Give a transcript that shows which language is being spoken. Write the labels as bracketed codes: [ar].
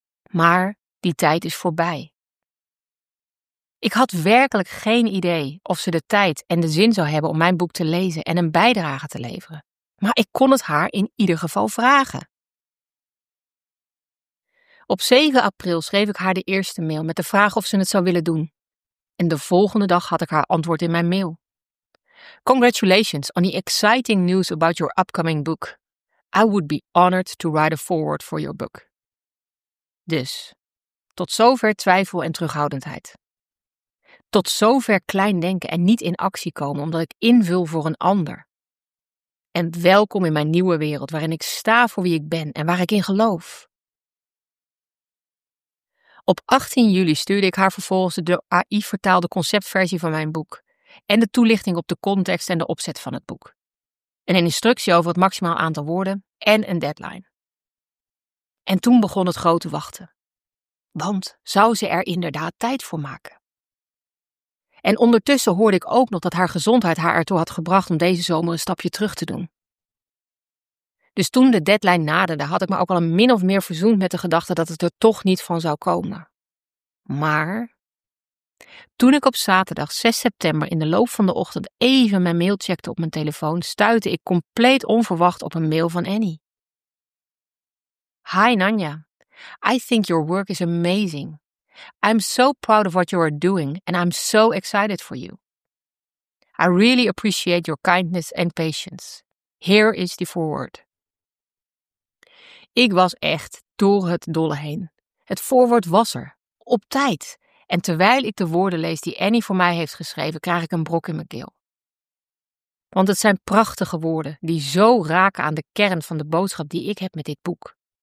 [nl] Maar die tijd is voorbij. Ik had werkelijk geen idee of ze de tijd en de zin zou hebben om mijn boek te lezen en een bijdrage te leveren. Maar ik kon het haar in ieder geval vragen. Op 7 april schreef ik haar de eerste mail met de vraag of ze het zou willen doen. En de volgende dag had ik haar antwoord in mijn mail. [en] Congratulations on the exciting news about your upcoming book. I would be honored to write a foreword for your book. [nl] Dus, tot zover twijfel en terughoudendheid. Tot zover klein denken en niet in actie komen omdat ik invul voor een ander. En welkom in mijn nieuwe wereld waarin ik sta voor wie ik ben en waar ik in geloof. Op 18 juli stuurde ik haar vervolgens de door AI vertaalde conceptversie van mijn boek en de toelichting op de context en de opzet van het boek. En een instructie over het maximaal aantal woorden en een deadline. En toen begon het grote wachten. Want zou ze er inderdaad tijd voor maken? En ondertussen hoorde ik ook nog dat haar gezondheid haar ertoe had gebracht om deze zomer een stapje terug te doen. Dus toen de deadline naderde, had ik me ook al min of meer verzoend met de gedachte dat het er toch niet van zou komen. Maar toen ik op zaterdag 6 september in de loop van de ochtend even mijn mail checkte op mijn telefoon, stuitte ik compleet onverwacht op een mail van Annie. [en] Hi Nanya, I think your work is amazing. I'm so proud of what you are doing and I'm so excited for you. I really appreciate your kindness and patience. Here is the foreword. [nl] Ik was echt door het dolle heen. Het voorwoord was er, op tijd. En terwijl ik de woorden lees die Annie voor mij heeft geschreven, krijg ik een brok in mijn keel. Want het zijn prachtige woorden die zo raken aan de kern van de boodschap die ik heb met dit boek.